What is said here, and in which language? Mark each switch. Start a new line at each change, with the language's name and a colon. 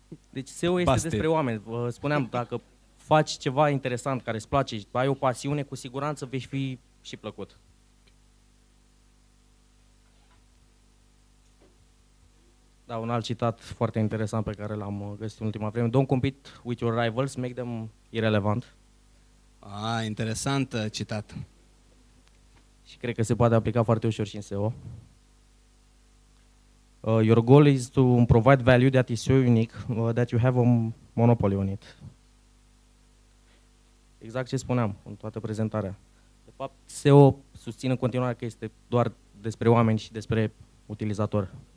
Romanian: Deci SEO este Bastard. Despre oameni. Vă spuneam, dacă faci ceva interesant, care îți place, ai o pasiune, cu siguranță vei fi și plăcut. Da, un alt citat foarte interesant pe care l-am găsit în ultima vreme.
English: Don't compete with your rivals, make them irrelevant.
Romanian: Ah, interesant citat. Și cred că se poate aplica foarte ușor și în SEO.
English: Your goal is to provide value that is so unique that you have a monopoly on it.
Romanian: Exact ce spuneam în toată prezentarea. De fapt, SEO susține în continuare că este doar despre oameni și despre utilizator.